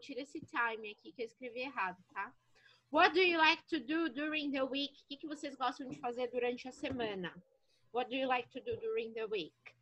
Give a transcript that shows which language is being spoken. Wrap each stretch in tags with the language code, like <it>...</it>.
<pt>Tira esse time aqui que eu escrevi errado, tá?</pt> <en>What do you like to do during the week?</en> <pt>O que, que vocês gostam de fazer durante a semana?</pt> <en>What do you like to do during the week?</en>